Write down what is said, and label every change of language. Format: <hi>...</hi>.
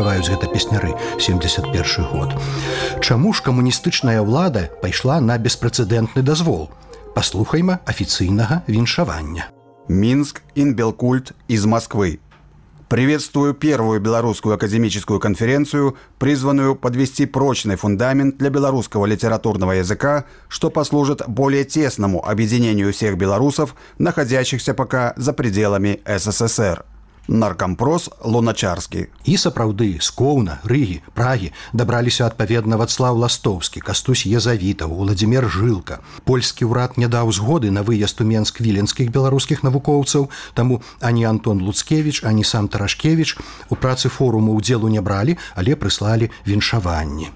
<be>Гэта песняры 71 год. Чаму ж камуністычная ўлада пайшла на беспрэцэдэнтны дазвол? Паслухаем афіцыйнага віншавання. Мінск Інбелкульт</be> <ru>из Москвы. Приветствую первую белорусскую академическую конференцию, призванную подвести прочный фундамент для белорусского литературного языка, что послужит более тесному объединению всех белорусов, находящихся пока за пределами СССР.</ru> <be>Наркампрос Луначарскі. І сапраўды з Коўна, Рыгі, Прагі дабраліся адпаведна Вацлаў Ластоўскі, Кастусь Язавітаў, Уладзімір Жылка. Польскі ўрад не даў згоды на выезд у Менск віленскіх беларускіх навукоўцаў, таму ані Антон Луцкевіч, ані сам Тарашкевіч у працы форуму ўдзелу не бралі, але прыслалі віншаванні.</be>